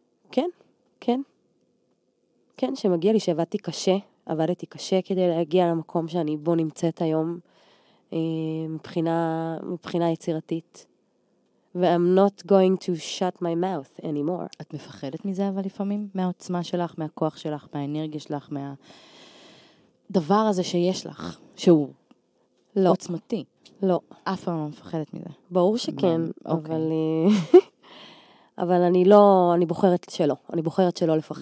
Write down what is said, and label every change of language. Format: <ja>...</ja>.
<he>כן, כן. כן, שמגיע לי שעבדתי קשה, עבדתי קשה כדי להגיע למקום שאני בו נמצאת היום, מבחינה יצירתית.</he> <en>I'm not going to shut my mouth anymore.</en> <he>את מפחדת מזה אבל לפעמים? מהעוצמה שלך, מהכוח שלך, מהאנרגיה שלך, מהדבר הזה שיש לך, שהוא לא. עוצמתי. לא. אף פעם לא מפחדת מזה. ברור שכן, אבל... אבל אני לא... אני בוחרת שלא. אני בוחרת שלא לפחד.</he>